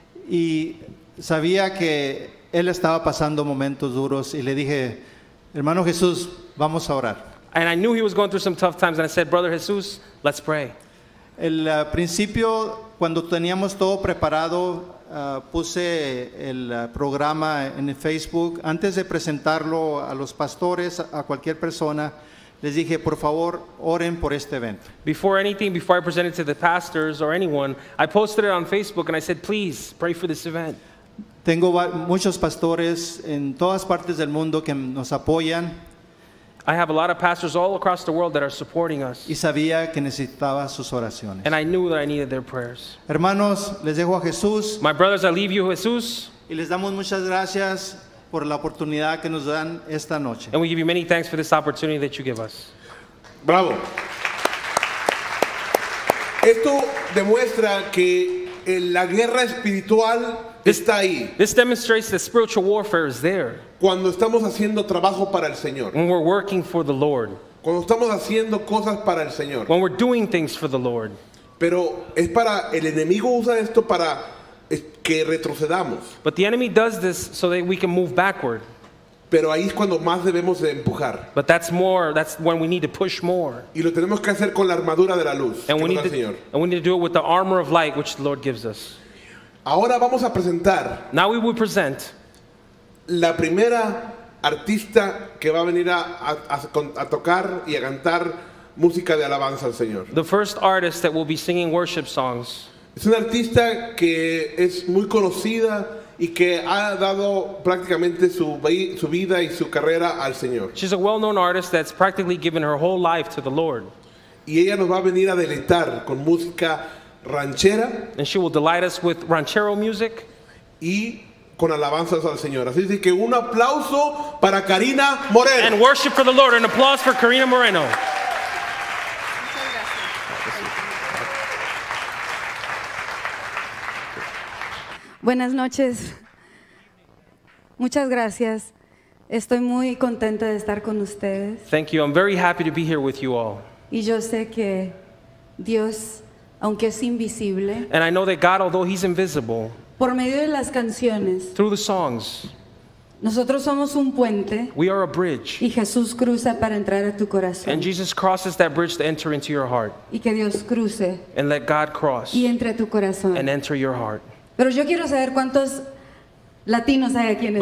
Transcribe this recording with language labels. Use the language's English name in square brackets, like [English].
[Spanish] Y sabía que él estaba pasando momentos duros y le dije, hermano Jesús, vamos a orar. [English] And I knew he was going through some tough times and I said, brother Jesús, let's pray. [Spanish] El principio, cuando teníamos todo preparado, puse el programa en Facebook. Antes de presentarlo a los pastores, a cualquier persona, les dije, por favor, oren por este evento. [English] Before anything, before I presented to the pastors or anyone, I posted it on Facebook and I said, please, pray for this event. [Spanish] Tengo muchos pastores en todas partes del mundo que nos apoyan. [English] I have a lot of pastors all across the world that are supporting us. [Spanish] Y sabía que necesitaba sus oraciones. [English] And I knew that I needed their prayers. [Spanish] Hermanos, les dejo a Jesús. [English] My brothers, I leave you, Jesús. [Spanish] Y les damos muchas gracias por la oportunidad que nos dan esta noche. [English] And we give you many thanks for this opportunity that you give us. [Spanish] Bravo. Esto demuestra que la guerra espiritual, [English] this demonstrates that spiritual warfare is there. [Spanish] Cuando estamos haciendo trabajo para el Señor. [English] When we're working for the Lord. [Spanish] Cuando estamos haciendo cosas para el Señor. [English] When we're doing things for the Lord. [Spanish] Pero es para, el enemigo usa esto para que retrocedamos. [English] But the enemy does this so that we can move backward. [Spanish] Pero ahí es cuando más debemos de empujar. [English] But that's when we need to push more. [Spanish] Y lo tenemos que hacer con la armadura de la luz que nos da el Señor. [English] And we need to do it with the armor of light which the Lord gives us. [Spanish] Ahora vamos a presentar. [English] Now we will present [Spanish] la primera artista que va a venir a tocar y a cantar música de alabanza al Señor. [English] The first artist that will be singing worship songs. [Spanish] Es una artista que es muy conocida y que ha dado prácticamente su vida y su carrera al Señor. [English] She's a well-known artist that's practically given her whole life to the Lord. [Spanish] Y ella nos va a venir a deleitar con música ranchera. [English] And she will delight us with ranchero music. [Spanish] Y con alabanzas al Señor. Así que un aplauso para Karina Moreno. [English] And worship for the Lord. An applause for Karina Moreno. [Spanish] Buenas noches. Muchas gracias. Estoy muy contenta de estar con ustedes. [English] Thank you. I'm very happy to be here with you all. [Spanish] Y yo sé que Dios, aunque es invisible, [English] and I know that God, although he's invisible, [Spanish] por medio de las canciones, [English] through the songs, [Spanish] nosotros somos un puente, [English] we are a bridge, [Spanish] y Jesús cruza para entrar a tu corazón, [English] and Jesus crosses that bridge to enter into your heart, [Spanish] y que Dios cruce, [English] and let God cross, [Spanish] y entre a tu corazón, [English] and enter your heart. [Spanish] Pero yo quiero saber cuántos latinos hay aquí en